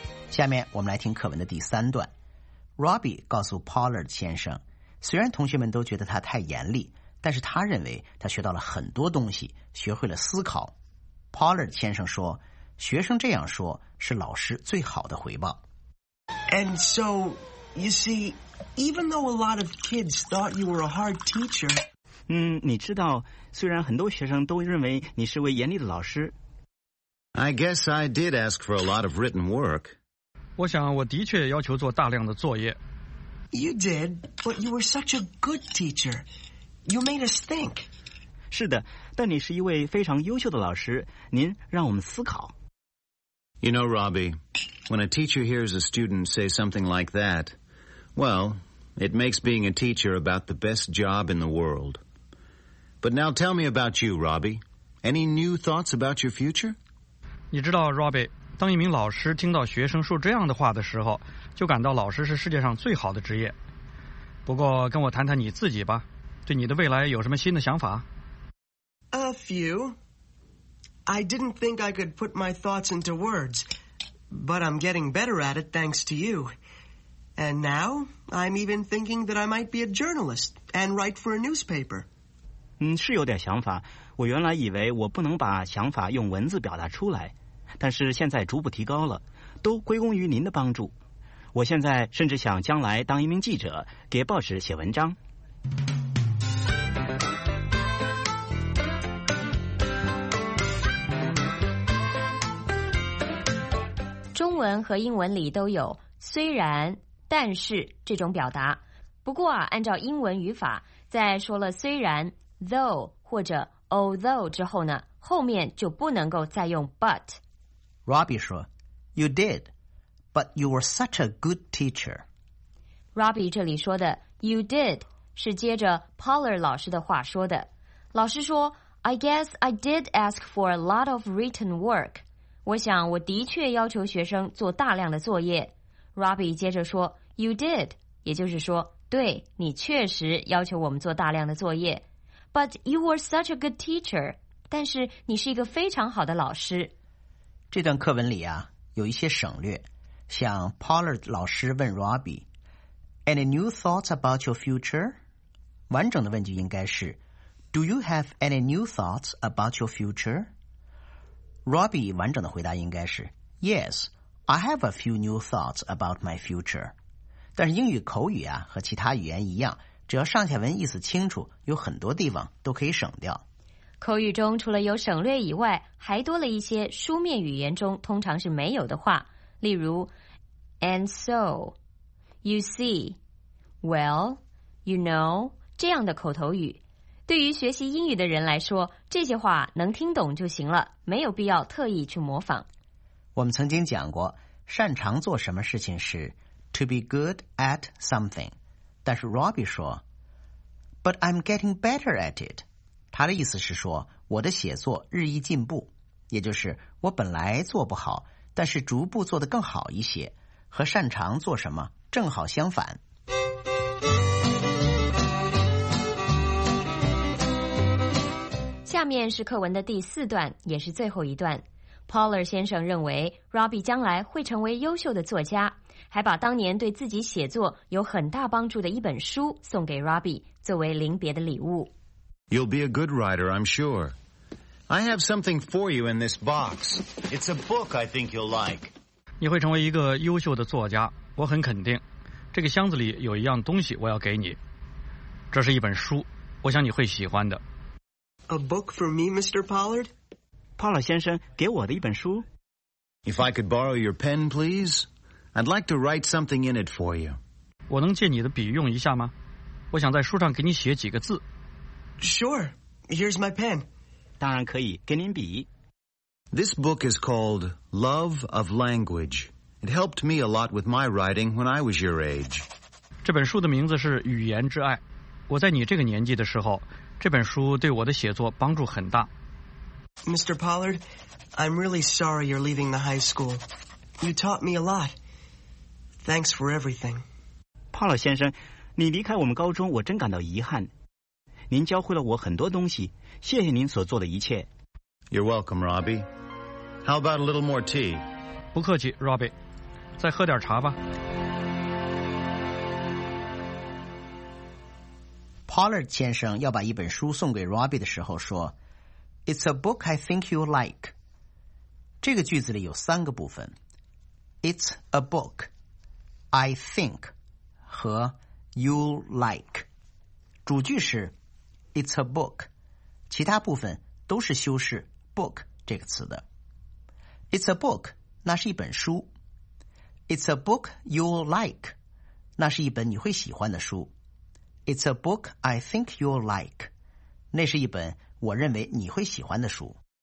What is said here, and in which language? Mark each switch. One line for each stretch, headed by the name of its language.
Chinese: 下面我们来听课文的第三段。Robbie 告诉 Pollard 先生，虽然同学们都觉得他太严厉，但是他认为他学到了很多东西，学会了思考。 Pollard 先生说，学生这样说是老师最好的回报。
English: And so You see, even though a lot of kids thought you were a hard teacher.
Chinese: 你知道，虽然很多学生都认为你是位严厉的老师。
English: I guess I did ask for a lot of written work.
Chinese: 我想我的确要求做大量的作业。
English: You did, but you were such a good teacher. You made us think.
Chinese: 是的，但你是一位非常优秀的老师，您让我们思考。
English: You know, Robbie, when a teacher hears a student say something like that, well, it makes being a teacher about the best job in the world. But now tell me about you, Robbie. Any new thoughts about your future?
Chinese: 你知道 Robbie, 当一名老师听到学生说这样的话的时候，就感到老师是世界上最好的职业。不过跟我谈谈你自己吧，对你的未来有什么新的想法？
English: A few. I didn't think I could put my thoughts into words, but I'm getting better at it thanks to you. And now, I'm even thinking that I might be a journalist and write for a newspaper.
Chinese: 是有点想法。我原来以为我不能把想法用文字表达出来，但是现在逐步提高了，都归功于您的帮助。我现在甚至想将来当一名记者，给报纸写文章。中文和英文里都有虽然、但是这种表达，不过啊，按照英文语法，在说了虽然 though 或者 although 之后呢，后面就不能够再用 but。
English: Robbie
Chinese: 说
English: You did, but you were such a good teacher.
Chinese: Robbie 这里说的 You did 是接着 Poller 老师的话说的。老师说
English: I guess I did ask for a lot of written work.
Chinese: 我想我的确要求学生做大量的作业。 Robbie 接着说
English: You did,
Chinese: 也就是说对，你确实要求我们做大量的作业。
English: But you were such a good teacher.
Chinese: 但是你是一个非常好的老师。这段课文里啊，有一些省略，像 Pollard 老师问 Robbie,
English: Any new thoughts about your future?
Chinese: 完整的问句应该是
English: Do you have any new thoughts about your future? Robbie
Chinese: 完整的回答应该是
English: Yes, I have a few new thoughts about my future.
Chinese: 但是英语口语啊，和其他语言一样，只要上下文意思清楚，有很多地方都可以省掉。口语中除了有省略以外，还多了一些书面语言中通常是没有的话，例如
English: And so, you see, well, you know,
Chinese: 这样的口头语。对于学习英语的人来说，这些话能听懂就行了，没有必要特意去模仿。我们曾经讲过，擅长做什么事情是
English: To be good at something.
Chinese: 但是
English: Robbie
Chinese: 说
English: But I'm getting better at it.
Chinese: 他的意思是说我的写作日益进步，也就是我本来做不好，但是逐步做得更好一些，和擅长做什么正好相反。下面是课文的第四段，也是最后一段。Poller 先生认为 Robbie 将来会成为优秀的作家，还把当年对自己写作有很大帮助的一本书送给 Robbie 作为临别的礼物。
English: You'll be a good writer, I'm sure. I have something for you in this box. It's a book I think you'll like.
Chinese: 你会成为一个优秀的作家，我很肯定。这个箱子里有一样东西我要给你。这是一本书，我想你会喜欢的。
English: A book for me, Mr. Pollard?
Chinese: Pollard 先生，给我的一本书。
English: If I could borrow your pen, please... I'd like to write something in it for you.
Chinese: 我能借你的笔用一下吗？我想在书上给你写几个字。
English: Sure, here's my pen.
Chinese: 当然可以，给您笔。
English: This book is called Love of Language. It helped me a lot with my writing when I was your age.
Chinese: 这本书的名字是《语言之爱》。我在你这个年纪的时候，这本书对我的写作帮助很大。
English: Mr. Pollard, I'm really sorry you're leaving the high school. You taught me a lot. Thanks for everything.
Chinese: Paul 先生，你离开我们高中，我真感到遗憾。您教会了我很多东西，谢谢您所做的一切。
English: You're welcome, Robbie. How about a little more tea?
Chinese: 不客气 ，Robbie。再喝点茶吧。 Pollard 先生要把一本书送给 Robbie 的时候说 ：
English: “It's a book I think you like.”
Chinese: 这个句子里有三个部分。
English: It's a book.I think
Chinese: 和
English: you'll like。
Chinese: 主句是
English: it's a book，
Chinese: 其他部分都是修饰 book 这个词的。
English: it's a book
Chinese: 那是一本书，
English: it's a book you'll like
Chinese: 那是一本你会喜欢的书，
English: it's a book I think you'll like
Chinese: 那是一本我认为你会喜欢的书。